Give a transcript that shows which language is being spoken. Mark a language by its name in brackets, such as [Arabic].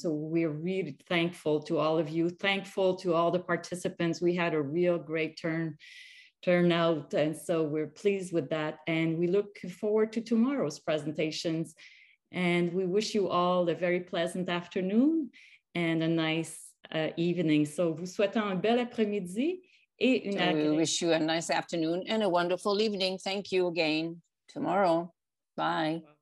[English] So we're really thankful to all of you, thankful to all the participants. We had a real great turnout. And so we're pleased with that. And we look forward to tomorrow's presentations. And we wish you all a very pleasant afternoon and a nice evening. [French] So vous souhaitons un bel après-midi. [English] And we wish you a nice afternoon and a wonderful evening. Thank you again. Tomorrow. Bye.